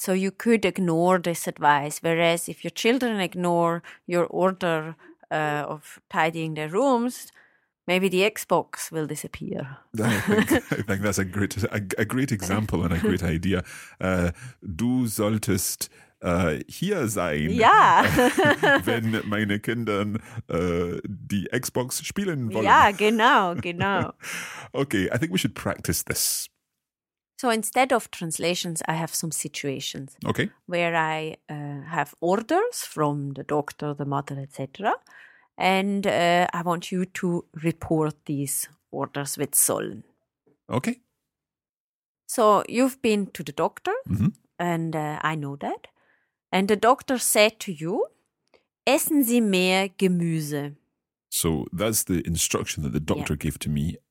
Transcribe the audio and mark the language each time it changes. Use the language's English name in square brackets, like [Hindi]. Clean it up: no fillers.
[English] So you could ignore this advice. Whereas if your children ignore your order of tidying their rooms, maybe the Xbox will disappear. I think that's a great example and a great idea. [German] Du solltest hier sein, [English] yeah. [German] Wenn meine Kinder die Xbox spielen wollen. Ja, genau. [English] Okay, I think we should practice this. So instead of translations, I have some situations. Okay. Where I have orders from the doctor, the mother, etc., and I want you to report these orders with sollen. Okay. So you've been to the doctor, and I know that. And the doctor said to you, [German] essen Sie mehr Gemüse. [English] So that's the instruction that the doctor gave to me.